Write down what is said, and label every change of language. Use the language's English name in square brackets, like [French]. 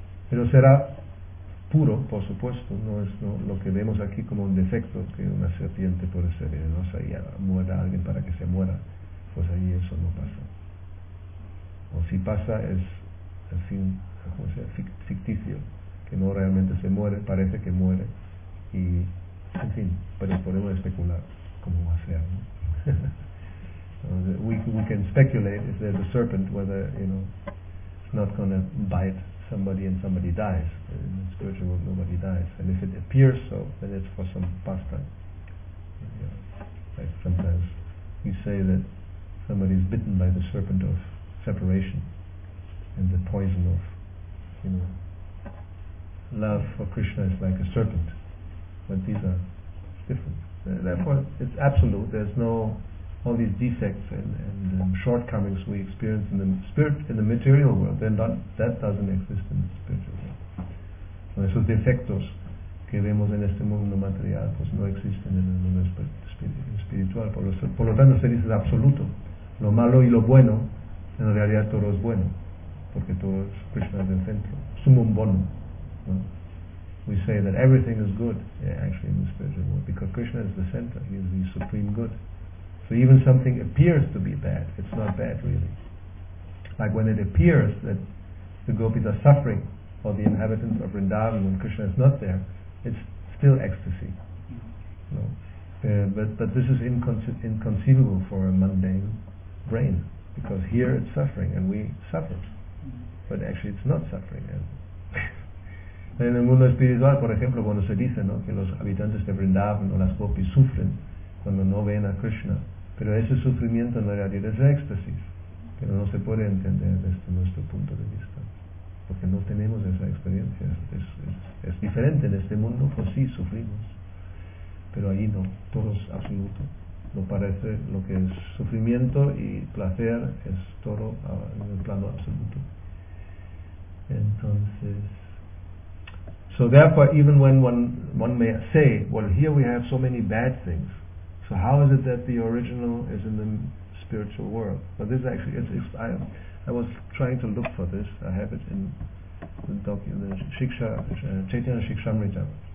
[Spanish] Pero será puro, por supuesto, no es lo que vemos aquí como un defecto, que una serpiente puede ser venenosa y muera a alguien para que se muera, pues ahí eso no pasa. O si pasa, es así, como sea, ficticio, que no realmente se muere, parece que muere, y en fin, pero podemos especular cómo va a ser, ¿no? [English] We can speculate if there's a serpent, whether, you know, it's not going to bite somebody and somebody dies. In the spiritual world, nobody dies. And if it appears so, then it's for some pastime. You know, like sometimes we say that somebody is bitten by the serpent of separation and the poison of, you know, love for Krishna is like a serpent. But these are different. Therefore, it's absolute. There's no... All these defects and shortcomings we experience in the spirit, in the material world, then that doesn't exist in the spiritual world. [Spanish] So esos defectos que vemos en este mundo material, pues no existen en el mundo espiritual. Por lo tanto, se dice absoluto. Lo malo y lo bueno, en realidad todo es bueno, porque todo es Krishna del centro. Sumum bono. ¿No? [English] We say that everything is good, yeah, actually, in the spiritual world, because Krishna is the center. He is the supreme good. So even something appears to be bad, it's not bad really. Like when it appears that the gopis are suffering, or the inhabitants of Vrindavan, when Krishna is not there, it's still ecstasy. No. But this is inconceivable for a mundane brain, because here it's suffering and we suffer. But actually it's not suffering. [Spanish] En el mundo espiritual, por ejemplo, cuando se dice, ¿no?, que los habitantes de Vrindavan o las gopis sufren cuando no ven a Krishna, pero ese sufrimiento en realidad es éxtasis, pero no se puede entender desde nuestro punto de vista, porque no tenemos esa experiencia. Es diferente en este mundo, pues sí, sufrimos, pero ahí no, todo es absoluto. No parece, lo que es sufrimiento y placer es todo en el plano absoluto. [English] Entonces, so therefore, even when one may say, well, here we have so many bad things, so how is it that the original is in the spiritual world? But this actually is, I was trying to look for this. I have it in the document, the Shiksha, Chaitanya Shikshamrita.